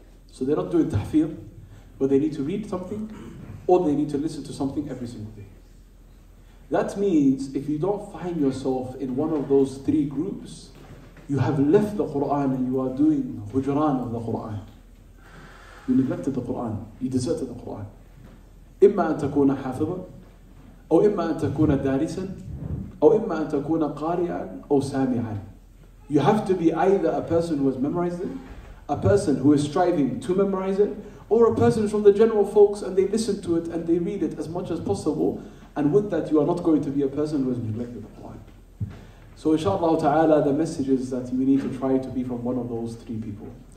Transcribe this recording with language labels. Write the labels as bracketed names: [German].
[English] So they're not doing tahfir, but they need to read something or they need to listen to something every single day. That means if you don't find yourself in one of those three groups, you have left the Quran and you are doing hujran of the Quran. You neglected the Quran. You deserted the Quran. [Arabic] إما أن تكون حافظا أو إما أن تكون دارسا أو إما أن تكون قارئا أو سامعا. [English] You have to be either a person who has memorized it, a person who is striving to memorize it, or a person from the general folks and they listen to it and they read it as much as possible. And with that, you are not going to be a person who has neglected the Quran. So inshallah ta'ala, the message is that we need to try to be from one of those three people.